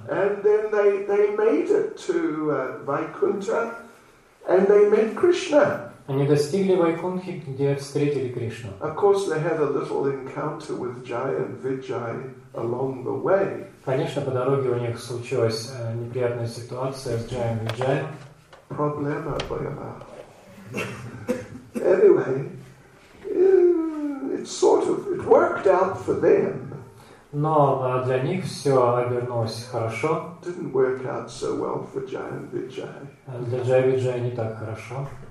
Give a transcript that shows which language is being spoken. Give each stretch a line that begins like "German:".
English: And then they made it to Vaikuntha, and they met Krishna.
Russian: Они достигли Вайкунтхи, где встретили Кришну.
English: Of course, they had a little encounter with Jai and Vijay along the way.
Russian: Конечно, по дороге у них случилась неприятная ситуация с Джаем Виджаем. Проблема была.
English: Anyway, it worked out for them.
Russian: Но для них все обернулось хорошо.
English: Didn't work out so well for Jai and Vijay.
Russian: Для Джая и Виджая не так хорошо.